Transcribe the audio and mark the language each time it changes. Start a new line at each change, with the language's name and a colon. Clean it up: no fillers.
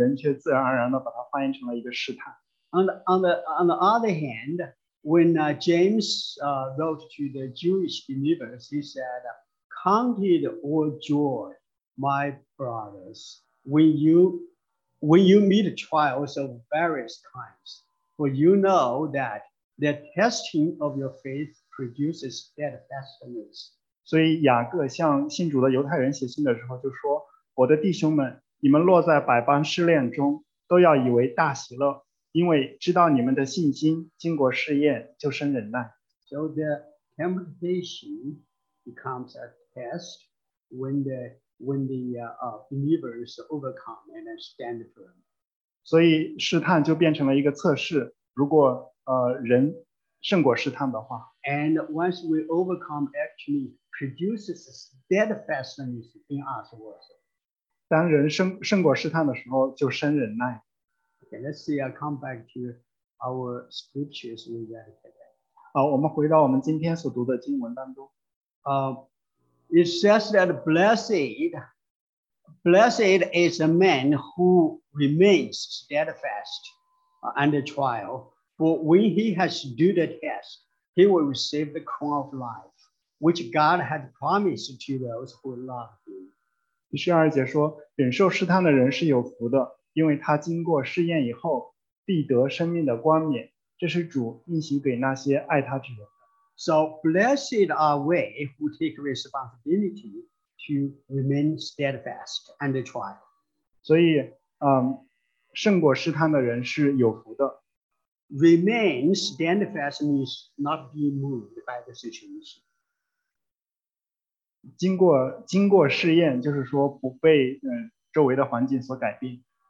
Chinese: 我们知道这虽然只是一个中心的测试，但是我们人却自然而然地把它翻译成了一个试探。
English: On the other hand, when James wrote to the Jewish believers, he said, "Count it all joy, my brothers, when you meet trials of various kinds." For you know that the testing of your faith produces steadfastness.
Chinese: 所以雅各向信主的犹太人写信的时候就说：“我的弟兄们，你们落在百般试炼中，都要以为大喜乐，因为知道你们的信心经过试验就生忍耐。”
English: So the temptation becomes a test when the believers overcome and stand firm.
Chinese: 所以试探就变成了一个测试。 如果人胜过试探的话,
English: and once we overcome, actually produces steadfastness in us also.
Chinese: 当人胜过试探的时候,
English: okay, let's see, I come back to our scriptures we read today.
Chinese: 我们回到我们今天所读的经文当中。
English: It says that blessed is a man who remains steadfast under trial. For when he has stood the test, he will receive the crown of life, which God had promised to those who love him.
Chinese: 第12节说, 忍受试探的人是有福的, 因为他经过试验以后, 必得生命的冠冕, 这是主应许给那些爱他之人的。
English: So blessed are we who take responsibility to remain steadfast under trial.
Chinese: 所以, 胜过试探的人是有福的。
English: Remain steadfast means not be moved by the situation.
Chinese: 经过试验就是说不被 周围的环境所改变。